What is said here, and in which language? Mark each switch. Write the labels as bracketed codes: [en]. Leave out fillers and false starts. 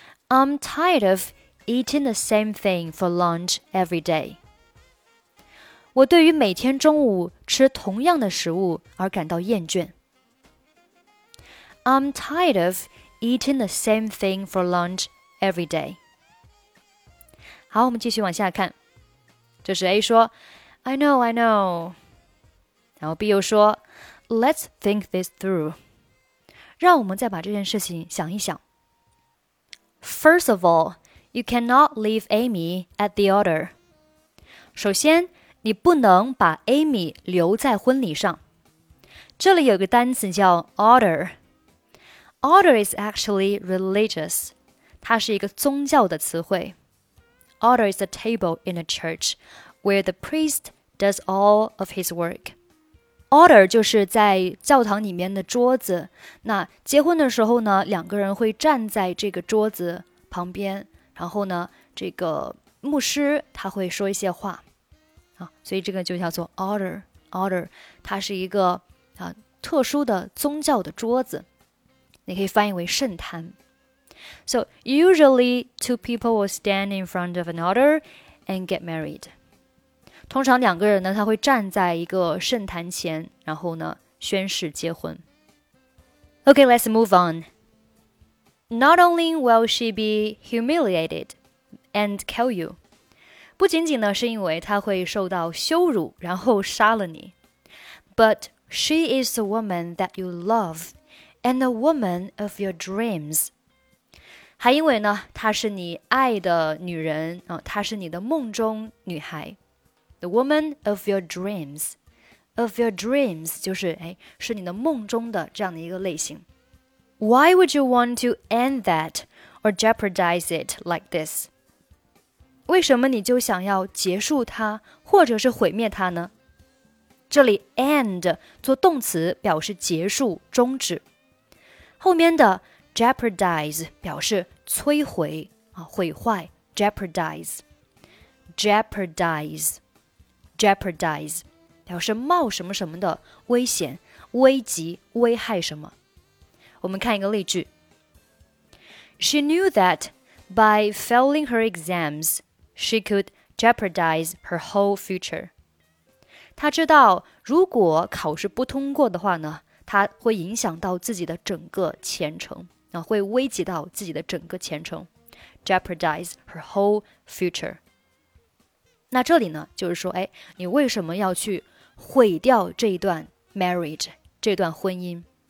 [en] I'm tired of eating the same thing for lunch every day. [zh] 我对于每天中午吃同样的食物而感到厌倦。 [en] I'm tired of eating the same thing for lunch every day. [zh] 好，我们继续往下看。这时 A 说 [en] I know, I know. [zh] 然后 B 又说 [en] Let's think this through. [zh] 让我们再把这件事情想一想。 [en] First of all, you cannot leave Amy at the altar. [zh] 首先，你不能把 Amy 留在婚礼上。这里有个单词叫 altar. [en] Altar is actually religious. [zh] 它是一个宗教的词汇。 [en] Altar is a table in a church where the priest does all of his work. [zh] Altar 就是在教堂里面的桌子。那结婚的时候呢，两个人会站在这个桌子旁边，然后呢，这个牧师他会说一些话。所以这个就叫做 altar。Altar 它是一个特殊的宗教的桌子，你可以翻译为圣坛。 [en] So, usually, two people will stand in front of an altar and get married. [zh] 通常两个人呢，他会站在一个圣坛前，然后呢，宣誓结婚。 [en] Okay, let's move on. Not only will she be humiliated and kill you, [zh] 不仅仅呢，是因为她会受到羞辱，然后杀了你。 [en] But she is the woman that you love and the woman of your dreams. [zh] 还因为呢，她是你爱的女人、她是你的梦中女孩。 [en] The woman of your dreams. [zh] Of your dreams 就是、是你的梦中的这样的一个类型。 [en] Why would you want to end that or jeopardize it like this? [zh] 为什么你就想要结束它或者是毁灭它呢？这里 end 做动词表示结束、终止。后面的Jeopardize 表示摧毁、毁坏。 Jeopardize 表示冒什么什么的危险、危急、危害什么。我们看一个例句。 [en] She knew that by failing her exams, she could jeopardize her whole future. [zh] 她知道如果考试不通过的话呢，她会影响到自己的整个前程。会危及到自己的整个前程 [en] jeopardize her whole future。 [zh] 那这里呢就是说、你为什么要去毁掉这一段 marriage 这段婚姻。